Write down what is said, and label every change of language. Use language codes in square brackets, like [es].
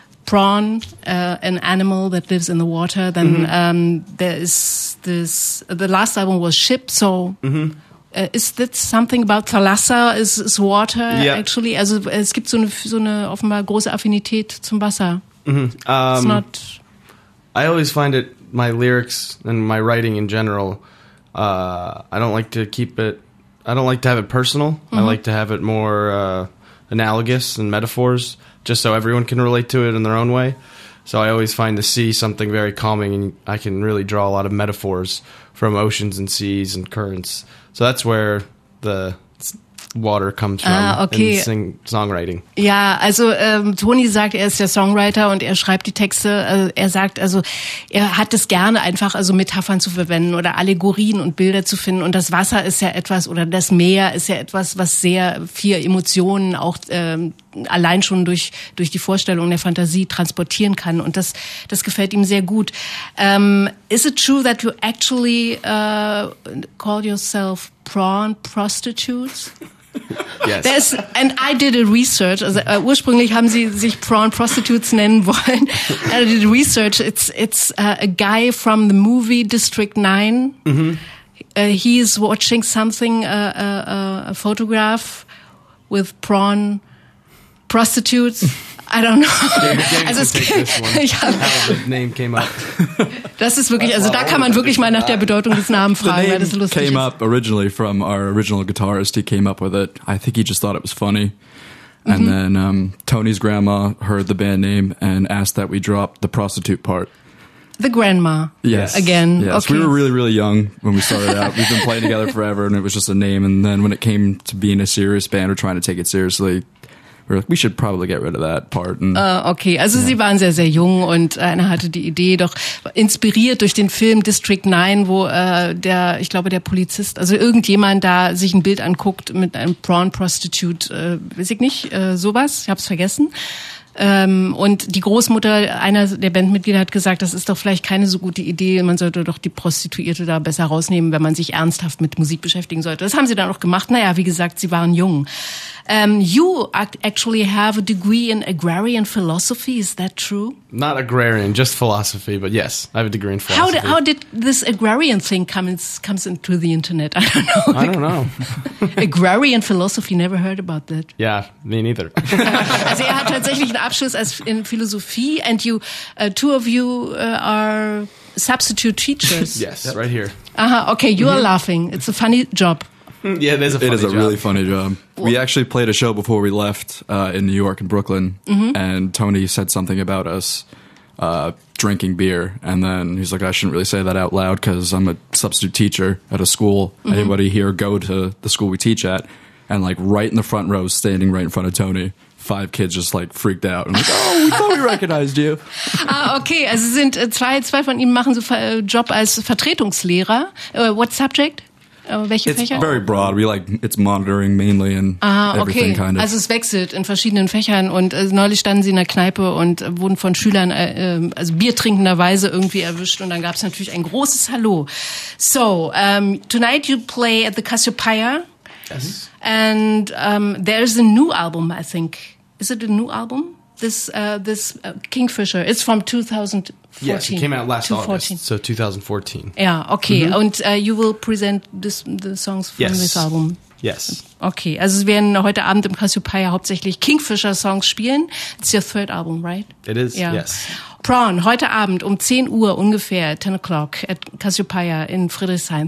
[en] Prawn, an animal that lives in the water. Then mm-hmm. There is this, the last album was Ship, so is that something about Thalassa? Is water actually? [de] Also es gibt so eine offenbar große Affinität zum Wasser. Mm-hmm. [en] I always find it, my lyrics and my writing in general, I don't like to keep it, I don't like to have it personal. Mm-hmm. I like to have it more analogous and metaphors, just so everyone can relate to it in their own way. So I always find the sea something very calming, and I can really draw a lot of metaphors from oceans and seas and currents. So that's where the water comes from okay. In songwriting. [de] Ja, also Tony sagt, er ist der Songwriter und er schreibt die Texte. Er sagt, also er hat es gerne einfach, also Metaphern zu verwenden oder Allegorien und Bilder zu finden. Und das Wasser ist ja etwas, oder das Meer ist ja etwas, was sehr viel Emotionen auch allein schon durch die Vorstellung der Fantasie transportieren kann. Und das gefällt ihm sehr gut. [en] Is it true that you actually call yourself prawn prostitutes? Yes. There's, and I did a research. [de] Also, ursprünglich haben sie sich prawn prostitutes nennen wollen. [en] I did research. It's a guy from the movie District 9. Mm-hmm. He's watching something, a photograph with prawn prostitutes. I don't know. Name came up. [de] Das ist wirklich, also da kann man wirklich mal nach der Bedeutung des Namens fragen, weil das lustig ist. [en] Came up originally from our original guitarist. He came up with it. I think he just thought it was funny. And then Tony's grandma heard the band name and asked that we drop the prostitute part. The grandma. Yes. Again. Yes. Okay. We were really, really young when we started out. We've been playing together forever and it was just a name. And then when it came to being a serious band or trying to take it seriously, we're like, we should probably get rid of that part. And, [de] okay, also yeah. Sie waren sehr, sehr jung und einer hatte die Idee, doch inspiriert durch den Film District 9, wo der, ich glaube, der Polizist, also irgendjemand da sich ein Bild anguckt mit einem Prawn Prostitute, weiß ich nicht, sowas, ich hab's vergessen. Und die Großmutter, einer der Bandmitglieder, hat gesagt, das ist doch vielleicht keine so gute Idee, man sollte doch die Prostituierte da besser rausnehmen, wenn man sich ernsthaft mit Musik beschäftigen sollte. Das haben sie dann auch gemacht. Naja, wie gesagt, sie waren jung. [en] You actually have a degree in agrarian philosophy, is that true? Not agrarian, just philosophy, but yes, I have a degree in philosophy. How did this agrarian thing comes into the internet? I don't know. Agrarian philosophy, never heard about that. Yeah, me neither. [de] Also er hat tatsächlich einen Abschluss als in Philosophie [en] and you, two of you are substitute teachers. Yes, yep. Right here. Uh-huh, okay, you are laughing. It's a funny job. Yeah, there's a funny It is a job. Really funny job. We actually played a show before we left in New York in Brooklyn, and Tony said something about us drinking beer, and then he's like, I shouldn't really say that out loud because I'm a substitute teacher at a school. Mm-hmm. Anybody here go to the school we teach at? And like right in the front row, standing right in front of Tony, five kids just like freaked out. And like, oh, we thought we recognized you. [de] okay, also sind zwei von ihnen machen so Job als Vertretungslehrer. [en] What subject? [de] Welche [en] it's [de] Fächer? [en] Very broad. We like it's monitoring mainly and everything kind of. [de] Also es wechselt in verschiedenen Fächern und neulich standen sie in der Kneipe und wurden von Schülern also biertrinkenderweise irgendwie erwischt und dann gab es natürlich ein großes Hallo. [en] So tonight you play at the Cassiopeia. Yes. And there's a new album, I think. Is it a new album? This Kingfisher. It's from 2014. Yes, it came out last August, so 2014. Yeah, okay. Mm-hmm. And you will present the songs from this album. Yes. [de] Okay, also wir werden heute Abend im Cassiopeia hauptsächlich Kingfisher-Songs spielen. [en] It's your third album, right? It is, yes. [de] Prawn, heute Abend um 10 Uhr ungefähr, [en] 10 o'clock, at [de] Cassiopeia in Friedrichshain.